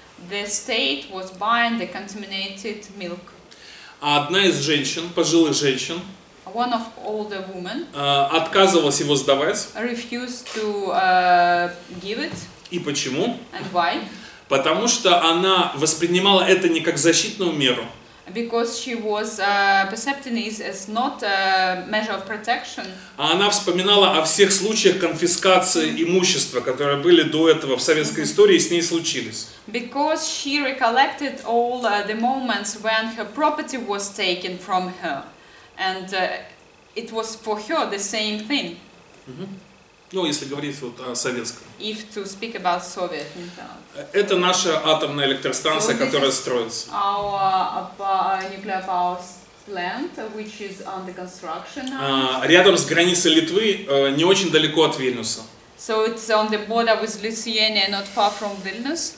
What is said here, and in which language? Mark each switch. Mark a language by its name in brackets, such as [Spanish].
[English] The state was buying the contaminated milk. [Russian] А одна из женщин, пожилых женщин, [English] one of older women, [Russian] отказывалась его сдавать. [English] Refused to, give it. [Russian] И почему? [English] And why? [Russian] Потому что она воспринимала это не как защитную меру. [English] Because she was perceiving it as not a measure of protection. [Russian] А она вспоминала о всех случаях конфискации имущества, которые были до этого в советской истории и с ней случились. [English] Because she recollected all the moments when her property was taken from her, and it was for her the same thing. [Russian] Ну, если говорить вот о советском. [English] If to speak about Soviet. [Russian] Это наша атомная электростанция, so которая строится. [English] Our nuclear power plant, which is under construction now. [Russian] Рядом с границей Литвы, не очень далеко от Вильнюса. [English] So it's on the border with Lithuania, not far from Vilnius.